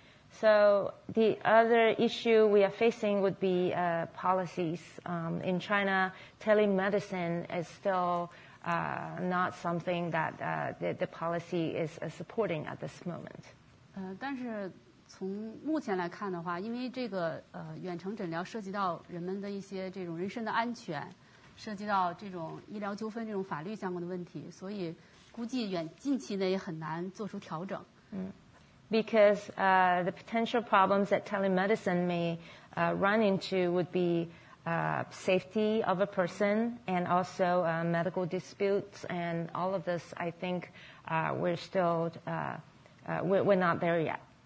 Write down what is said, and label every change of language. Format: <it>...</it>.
<en>So the other issue we are facing would be policies. In China, telemedicine is still not something that the policy is supporting at this moment.</en> <zh>但是从目前来看的话，因为这个远程诊疗涉及到人们的一些这种人身的安全，涉及到这种医疗纠纷这种法律相关的问题，所以估计近期内也很难做出调整。</zh> <en>because the potential problems that telemedicine may run into would be safety of a person and also medical disputes and all of this. I think we're still we're not there yet.</en>